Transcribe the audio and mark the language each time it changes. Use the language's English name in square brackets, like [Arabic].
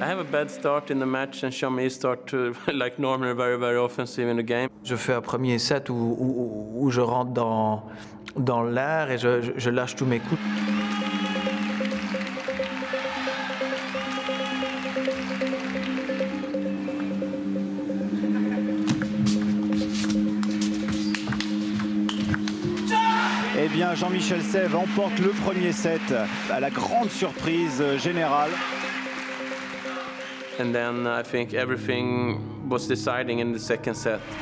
[English] Bad start in the match and Jean-Mi start to, like normally very very offensive in the game. [French] Je fais un premier set où je rentre dans l'air et je lâche tous mes coups. Eh bien Jean-Michel Sève emporte le premier set à la grande surprise générale. [English] And then I think everything was deciding in the second set.